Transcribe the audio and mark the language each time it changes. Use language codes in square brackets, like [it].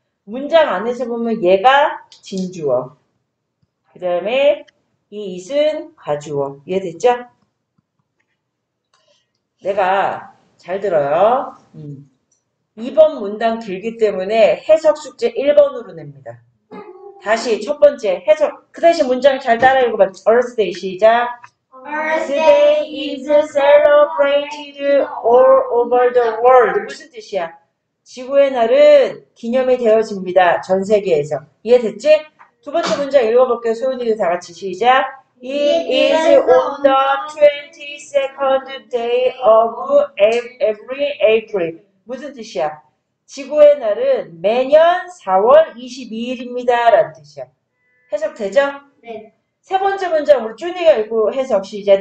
[ko] 문장 안에서 보면 얘가 진주어. 그 다음에 이 is은 과주어. 이해 됐죠? 내가 잘 들어요. 2번 문단 길기 때문에 해석 숙제 1번으로 냅니다. 다시 첫 번째 해석. 그 다시 문장 잘 따라 읽어봐. Earth Day 시작. [en] Earth Day is celebrated all over the world. [ko] 무슨 뜻이야? 지구의 날은 기념이 되어집니다. 전 세계에서. 이해됐지? 두 번째 문장 읽어볼게요. 소윤이도 다 같이 시작. [en] It is on the 22nd day of every April. [ko] 무슨 뜻이야? 지구의 날은 매년 4월 22일입니다. 라는 뜻이야. 해석 되죠? 네. 세 번째 문장 우리 준이가 읽고 해석 시작.